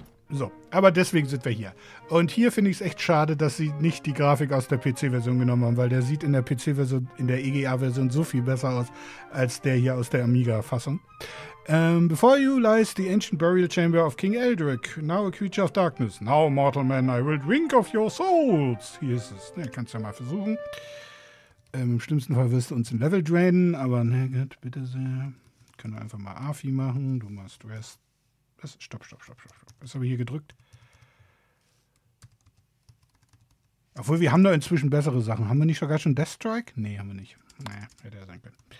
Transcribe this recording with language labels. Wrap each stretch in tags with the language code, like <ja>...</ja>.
<de>So, aber deswegen sind wir hier. Und hier finde ich es echt schade, dass sie nicht die Grafik aus der PC-Version genommen haben, weil der sieht in der PC-Version, in der EGA-Version so viel besser aus, als der hier aus der Amiga-Fassung.</de> <en>Before you lies the ancient burial chamber of King Eldric, now a creature of darkness. Now, mortal man, I will drink of your souls.</en> <de>Hier ist es. Ne, kannst du ja mal versuchen. Im schlimmsten Fall wirst du uns ein Level drainen, aber na gut, bitte sehr. Können wir einfach mal Afi machen. Du machst Rest. Stopp. Was habe ich hier gedrückt? Obwohl, wir haben da inzwischen bessere Sachen. Haben wir nicht sogar schon Deathstrike? Nee, haben wir nicht. Nee, hätte er sein können.</de>